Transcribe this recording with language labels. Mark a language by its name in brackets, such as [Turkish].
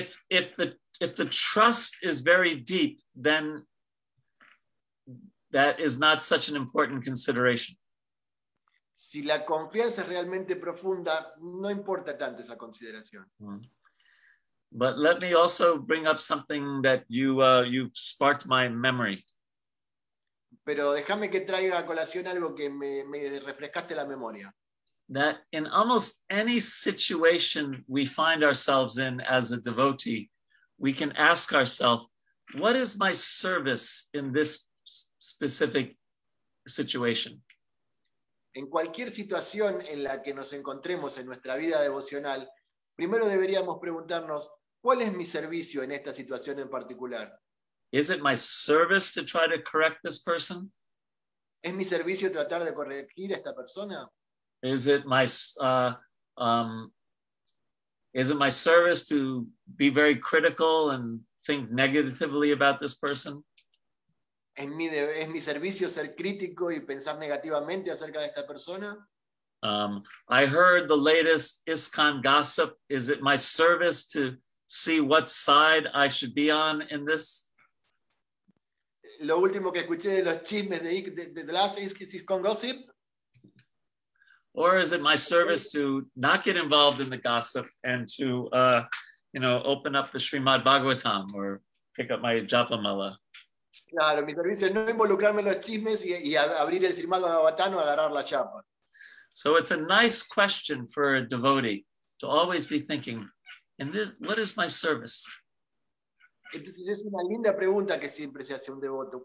[English] If the trust is very deep, then that is not such an important consideration. [Spanish] Si la confianza es realmente profunda, no importa tanto esa consideración. Mm. [English] But let me also bring up something that you sparked my memory. [Spanish] Pero déjame que traiga a colación algo que me refrescaste la memoria. [English] That in almost any situation we find ourselves in as a devotee, we can ask ourselves, what is my service in this specific situation? [Spanish] En cualquier situación en la que nos encontremos en nuestra vida devocional, primero deberíamos preguntarnos, ¿cuál es mi servicio en esta situación en particular? [English] Is it my service to try to correct this person? [Spanish] ¿Es mi servicio tratar de corregir a esta persona? [English] Is it my service to be very critical and think negatively about this person? [Spanish] ¿Es mi servicio ser crítico y pensar negativamente acerca de esta persona? [English] I heard the latest ISKCON gossip. Is it my service to see what side I should be on in this? [Spanish] Lo último que escuché de los chismes de las ISKCON gossip. [English] Or is it my service to not get involved in the gossip and to, open up the Srimad Bhagavatam or pick up my Japa Mala? [Spanish] Claro, mi servicio es no involucrarme en los chismes y abrir el Srimad Bhagavatam o agarrar la chapa. [English] So it's a nice question for a devotee to always be thinking, and this, what is my service? [Spanish] Entonces es una linda pregunta que siempre se hace un devoto.